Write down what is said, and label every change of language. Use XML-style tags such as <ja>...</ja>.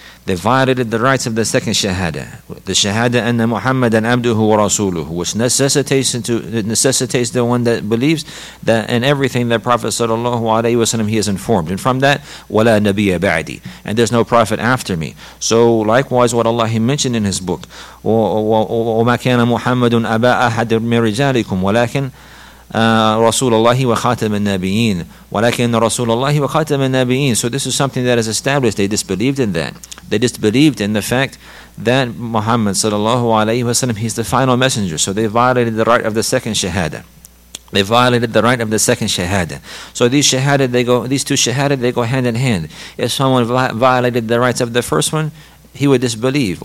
<en>They violated the rights of the second shahada. The shahada</en> <ar>anna Muhammad and abduhu wa rasuluhu,</ar> <en>which necessitates the one that believes that in everything the Prophet sallallahu alayhi wa sallam, he is informed. And from that,</en> <ar>wala nabiyya ba'di,</ar> <en>and there's no prophet after me. So likewise what Allah, he mentioned in his book,</en> <ar>wa ma kana Muhammadun aba'a hadir min rijalikum, walakin رسول الله وخاتم النبيين ولكن رسول الله وخاتم النبيين.</ar> <en>So this is something that is established. They disbelieved in that. They disbelieved in the fact that Muhammad sallallahu alayhi wa sallam, he's the final messenger. So they violated the right of the second shahada. They violated the right of the second shahada. So these shahada, these two shahada, they go hand in hand. If someone violated the rights of the first one, he would disbelieve.</en>